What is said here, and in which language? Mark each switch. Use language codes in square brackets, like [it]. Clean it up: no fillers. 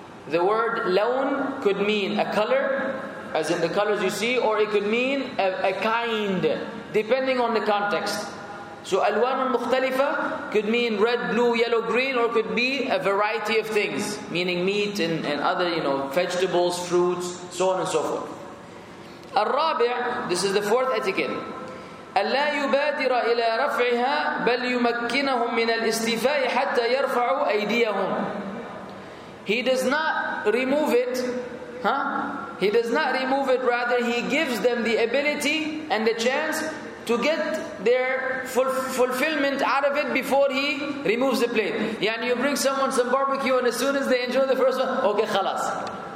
[en] The word lawn could mean a color, as in the colors you see, or it could mean a kind, depending on the context. So alwan al-mukhtalifa could mean red, blue, yellow, green, or could be a variety of things, meaning meat and other, you know, vegetables, fruits, so on and so forth. Al-rabi', this is the fourth etiquette. [ar] ألا يبادر إلى رفعها بل يمكنهم من الاستيفاء حتى يرفعوا أيديهم. [en] He does not remove it, huh? He does not remove it, rather he gives them the ability and the chance to get their fulfillment out of it before he removes the plate. [ar] يعني [en] you bring someone some barbecue and as soon as they enjoy the first one, okay, [ar] خلاص.